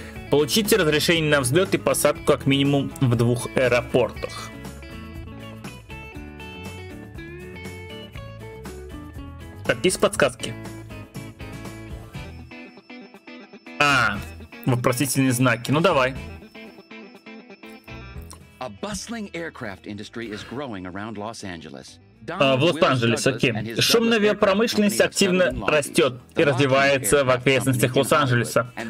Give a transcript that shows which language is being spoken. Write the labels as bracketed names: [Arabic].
[Russian] Получите разрешение на взлет и посадку как минимум в двух аэропортах. Так, есть подсказки? А, вопросительные знаки. Ну давай. [English] A bustling aircraft industry is growing around Los Angeles. [Russian] В Лос-Анджелесе, окей. Шумная авиапромышленность активно растет и развивается в окрестностях Лос-Анджелеса.